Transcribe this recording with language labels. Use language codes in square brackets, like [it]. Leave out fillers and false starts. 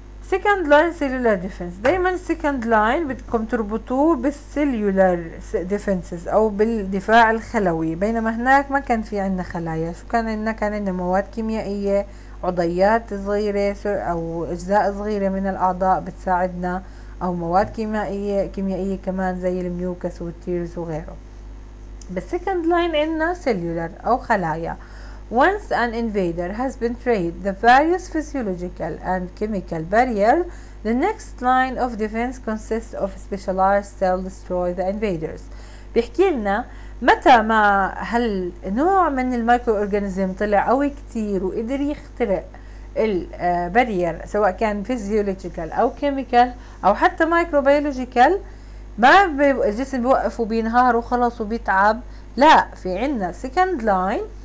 [ar] سكند لاين سيلولار ديفنس، دائما سكند لاين بدكم تربطوه بالسيلولار ديفنسز او بالدفاع الخلوي، بينما هناك ما كان في عندنا خلايا، شو كان عندنا؟ كان عندنا مواد كيميائيه، عضيات صغيرة أو أجزاء صغيرة من الأعضاء بتساعدنا، أو مواد كيميائية كمان زي الميوكس والتيرز وغيره. بس second line عندنا cellular أو خلايا. [en] Once an invader has been trained the various physiological and chemical barrier, the next line of defense consists of specialized cells destroy the invaders. [ar] بيحكي لنا متى ما هالنوع من المايكرو اورجانيزم طلع قوي كتير وقدر يخترق البارير، سواء كان فيزيولوجيكال او كيميكال او حتى مايكرو بيولوجيكال، ما الجسم بيوقف وبينهار وخلص وبيتعب، لا، في عنا سكند لاين.